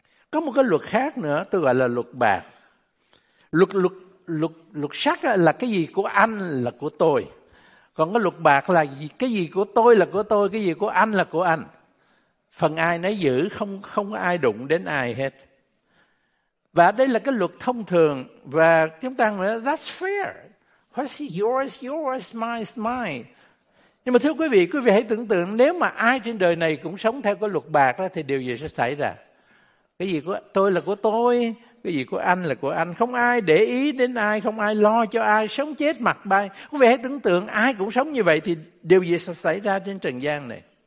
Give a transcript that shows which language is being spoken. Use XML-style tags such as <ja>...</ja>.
<vi>Có một cái luật khác nữa, tôi gọi là luật bạc. Luật sắt là cái gì của anh là của tôi. Còn cái luật bạc là cái gì của tôi là của tôi, cái gì của anh là của anh. Phần ai nấy giữ, không có ai đụng đến ai hết. Và đây là cái luật thông thường. Và chúng ta nói,</vi> <en>that's fair. What's yours, yours, mine, mine.</en> <vi>Nhưng mà thưa quý vị hãy tưởng tượng, nếu mà ai trên đời này cũng sống theo cái luật bạc đó, thì điều gì sẽ xảy ra? Cái gì của tôi là của tôi, cái gì của anh là của anh, không ai để ý đến ai, không ai lo cho ai, sống chết mặc bay. Quý vị hãy tưởng tượng ai cũng sống như vậy thì điều gì sẽ xảy ra trên trần gian này?</vi>